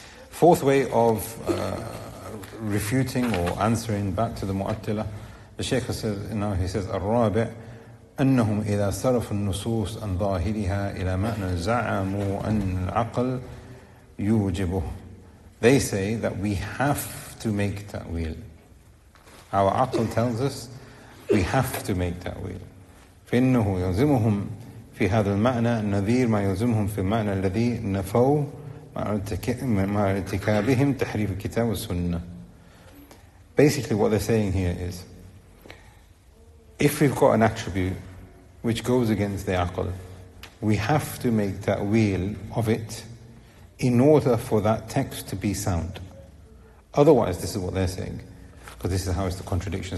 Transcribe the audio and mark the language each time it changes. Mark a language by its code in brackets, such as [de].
[en] Fourth way of refuting or answering back to the Mu'attilah, the Shaykh says, now he says, [ar] الرابع أنهم إذا صرف النصوص أن ظاهرها إلى معنى زعموا أن العقل يوجبه. [en] They say that we have to make ta'wil. Our aql tells us we have to make ta'wil. [ar] فإنه يلزمهم في هذا المعنى نذير ما يلزمهم في المعنى الذي نفوا مع ارتكابهم تحريف الكتاب والسنة. [en] Basically what they're saying here is, if we've got an attribute which goes against the aql, we have to make ta'wil of it in order for that text to be sound. Otherwise, this is what they're saying, because this is how it's the contradiction.